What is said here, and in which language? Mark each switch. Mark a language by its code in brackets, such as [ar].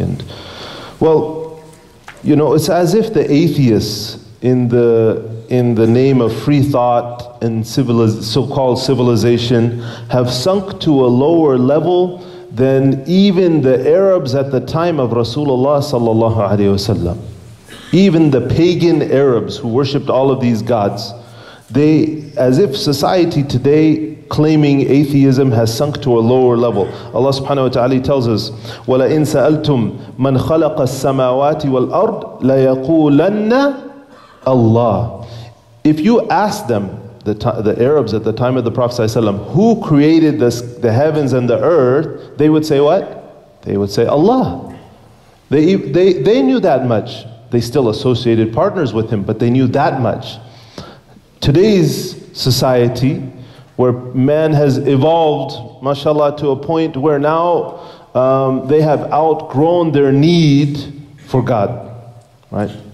[en] And well, you know, it's as if the atheists in the name of free thought and so-called civilization have sunk to a lower level than even the Arabs at the time of Rasulullah sallallahu alaihi wasallam. Even the pagan Arabs who worshipped all of these gods, they, as if society today claiming atheism has sunk to a lower level. Allah subhanahu wa ta'ala tells us, [ar] وَلَئِنْ سَأَلْتُمْ مَنْ خَلَقَ السَّمَاوَاتِ وَالْأَرْضِ لَيَقُولَنَّ اللَّهِ. [en] If you ask them, the Arabs at the time of the Prophet ﷺ, who created the heavens and the earth, they would say what? They would say Allah. They knew that much. They still associated partners with Him, but they knew that much. Today's society, where man has evolved, mashallah, to a point where now they have outgrown their need for God, right?